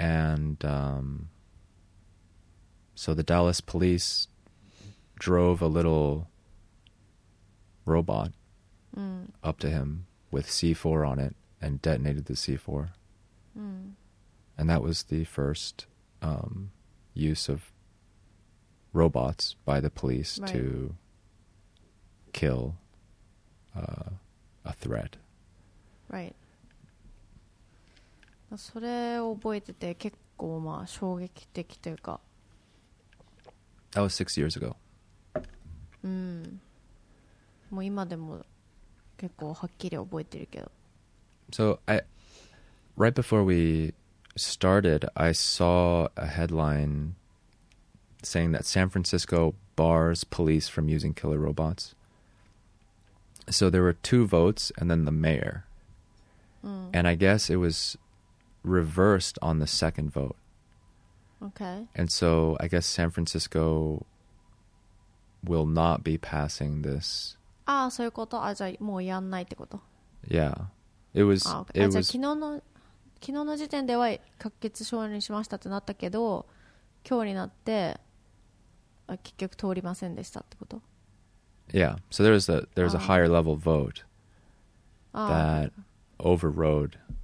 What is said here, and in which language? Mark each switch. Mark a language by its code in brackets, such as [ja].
[en] And so the Dallas police drove a little robot up to him with C4 on it and detonated the C4. Mm. And that was the first use of robots by the police to kill a threat. Right. [ja] それを覚えてて結構まあ衝撃的というか。 [en] That was 6 years ago. [ja] もう今でも結構はっきり覚えてるけど。 [en] So, right before we started, I saw a headline saying that San Francisco bars police from using killer robots. So there were 2 votes and then the mayor. Mm. And I guess it was reversed on the second vote. Okay. And so I guess San Francisco will not be passing this. Ah, so you got it. [ja] もうやんないってこと? [en] Yeah. It was. Okay. It was. [ja] 昨日の時点では可決承認しましたってなったけど、今日になって結局通りませんでしたってこと。 [en] Yeah. So there was a higher level vote that overrode